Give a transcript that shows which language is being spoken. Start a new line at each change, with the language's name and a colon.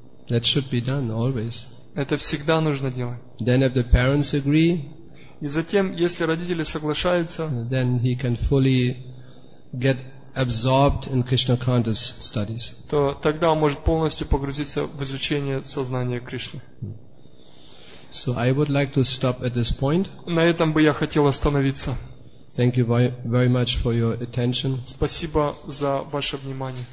English: That should be done always.
Russian: Это всегда нужно делать.
English: Then if the parents agree.
Russian: И затем, если родители соглашаются,
English: then he can fully get absorbed in Krishna conscious studies.
Russian: То тогда он может полностью погрузиться в изучение сознания Кришны.
English: So I would like to stop at this point.
Russian: На этом бы я хотел остановиться.
English: Thank you very much for your attention.
Russian: Спасибо за ваше внимание.